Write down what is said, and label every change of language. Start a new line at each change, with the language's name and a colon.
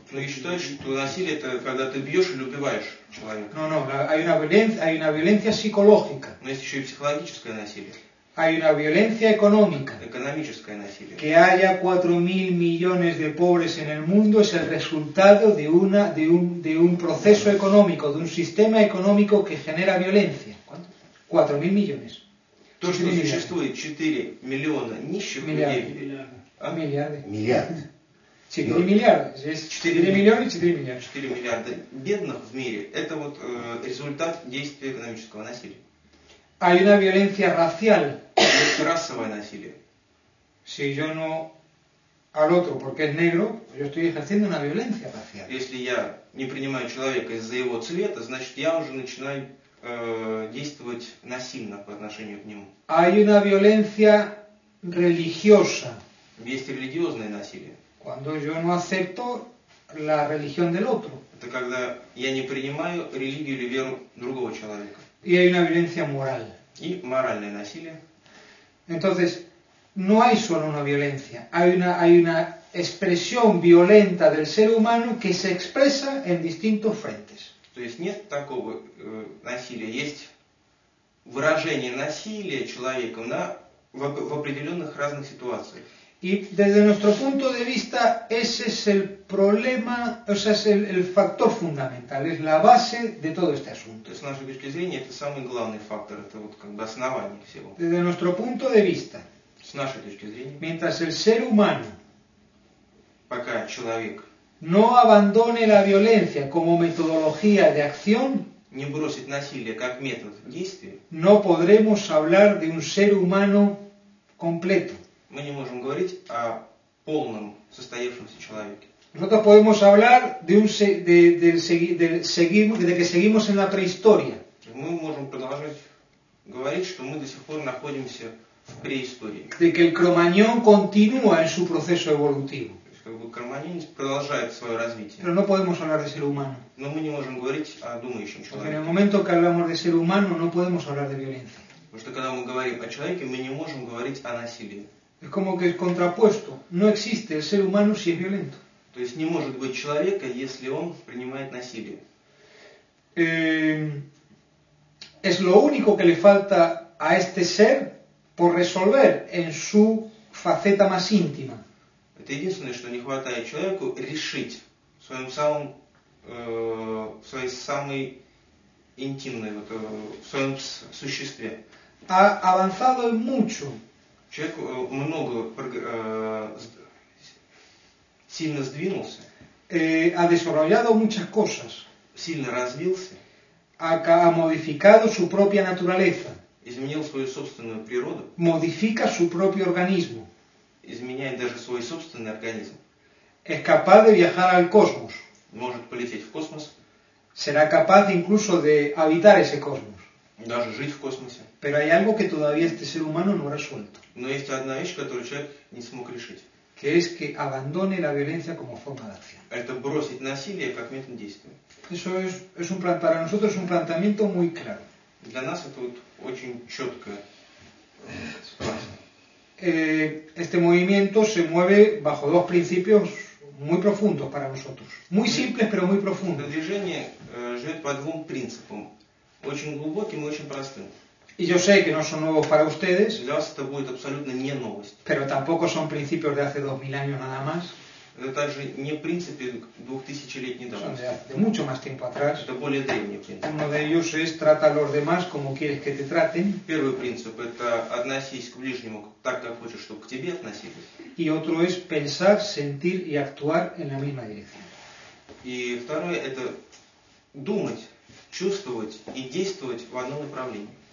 Russian: Но я считаю, что насилие это когда ты бьешь или убиваешь человека.
Spanish: No, hay una violencia psicológica.
Russian: Но есть еще и психологическое насилие.
Spanish: Hay una violencia económica.
Russian: Экономическое насилие.
Spanish: Que haya 4.000 millones de pobres en el mundo es el resultado de un proceso económico, de un sistema económico que genera violencia. 4.000 millones.
Russian: То, что существует 4 миллиона нищих людей. Миллиарды. 4 миллиарда. 4 миллиона и 4 миллиарда. 4 миллиарда бедных в мире. Это вот результат действия экономического насилия.
Spanish: Hay una violencia racial.
Russian: Это расовое насилие.
Spanish: Si yo no al otro porque es negro, yo estoy ejerciendo una violencia racial.
Russian: Если я не принимаю человека из-за его цвета, значит я уже начинаю действовать насильно по отношению к нему.
Spanish: Hay una violencia religiosa.
Russian: Есть религиозное насилие.
Spanish: Cuando yo no acepto la religión del otro.
Russian: Это когда я не принимаю религию или веру другого человека.
Spanish: Y hay una violencia moral.
Russian: И моральное насилие.
Spanish: Entonces, no hay solo una violencia. Hay una expresión violenta del ser humano que se expresa en distintos frentes.
Russian: То есть нет такого насилия, есть выражение насилия человеком в определенных разных ситуациях.
Spanish: Y desde nuestro punto de vista, ese es el problema, o sea, es el factor fundamental, es la base de todo este asunto.
Russian: С нашей точки зрения, это самый главный фактор, это вот как бы основание всего.
Spanish: Desde nuestro punto de vista.
Russian: С нашей точки зрения.
Spanish: Mientras el ser humano.
Russian: Пока человек.
Spanish: No abandone la violencia como metodología de acción.
Russian: Не бросит насилие как метод действия.
Spanish: No podremos hablar de un ser humano completo.
Russian: Мы не можем говорить о полном состоявшемся человеке.
Spanish: Nosotros podemos hablar de que seguimos en la prehistoria.
Russian: Мы можем продолжать говорить, что мы до сих пор находимся в преистории.
Spanish: De que el кроманьон continúa en su proceso evolutivo.
Russian: Кроманьонец продолжает свое развитие.
Spanish: Pero no podemos hablar de ser humano.
Russian: Но мы не можем говорить о думающем человеке.
Spanish: En el momento que hablamos de ser humano, no podemos hablar de violencia.
Russian: Потому что когда мы говорим о человеке, мы не можем говорить о насилии.
Spanish: Es como que es contrapuesto. No existe el ser humano si es violento.
Russian: То есть не может быть человека, если он принимает насилие.
Spanish: Es lo único que le falta a este ser por resolver en su faceta más íntima.
Russian: Это единственное, что не хватает человеку решить в своем самом, в своей самой интимной, вот, в своем существе.
Spanish: Ha avanzado mucho.
Russian: Человек много сильно сдвинулся.
Spanish: Ha desarrollado muchas cosas.
Russian: Сильно развился.
Spanish: Ha modificado su propia naturaleza.
Russian: Изменил свою собственную природу.
Spanish: Modifica su propio organismo.
Russian: Изменяет даже свой собственный организм.
Spanish: Es capaz de viajar al cosmos.
Russian: Может полететь в космос.
Spanish: Será capaz incluso de habitar ese cosmos.
Russian: Даже жить в космосе.
Spanish: Pero hay algo que todavía este ser humano no ha resuelto.
Russian: Но есть одна вещь, которую человек не смог решить.
Spanish: Que es que abandone la violencia como forma de acción.
Russian: Это бросить насилие как метод действия.
Spanish: Eso es un plan, para nosotros es un planteamiento muy claro.
Russian: Для нас это вот очень четко.
Spanish: Este movimiento se mueve bajo dos principios muy profundos para nosotros. Muy simples, pero muy profundos.
Russian: Это движение живет по двум принципам. Очень глубоким и очень простым.
Spanish: Y yo sé que no son nuevos para ustedes.
Russian: Для вас это будет абсолютно не новость.
Spanish: Pero tampoco son principios de hace 2000 años nada más.
Russian: Это также не принципы 2000-летней давности.
Spanish: Son de mucho más tiempo atrás.
Russian: Это более древние принципы.
Spanish: Uno de ellos es trata a los demás como quieres que te traten.
Russian: Первый принцип – это относись к ближнему так, как хочешь, чтобы к тебе относились.
Spanish: Y otro es pensar, sentir y actuar en la misma dirección.
Russian: И второе – это думать, чувствовать и действовать в одном направлении.